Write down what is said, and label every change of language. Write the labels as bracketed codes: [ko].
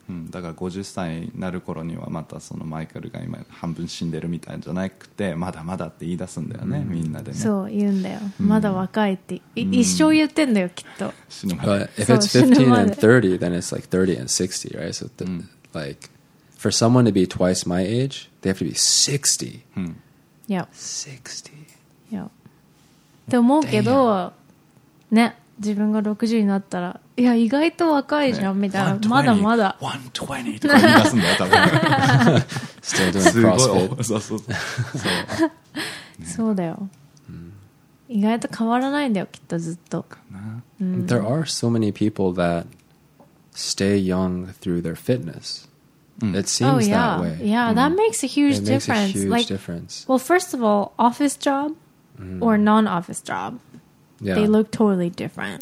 [ja] だから50歳になる頃にはまたそのマイケルが今半分死んでるみたいじゃなくて、まだまだって言い出すんだよね、みんなでね。そう、言うんだよ。まだ若いって。一生言ってんだよ、きっと。死ぬまで。 [en] But if it's 15 and 30, then it's like 30 and 60, right? So the, like, for someone to be twice my age, they have to be 60. Yeah. 60. [ja] Yeah.って思うけど、ね、自分が60になったら、いや意外と若いじゃん、ね、みたいな、まだまだ 120とか言い出すんだよ多分。 [en] Still doing CrossFit。 [ja] すごい、そう、ね、そうだよ、うん、意外と変わらないんだよきっとずっとかな、うん、 [en] There are so many people that stay young through their fitness、うん、It seems、 oh, yeah. that way Yeah、うん、that makes a huge difference. It makes a huge difference. Well first of all office job、mm. or non-office jobYeah. They look totally different.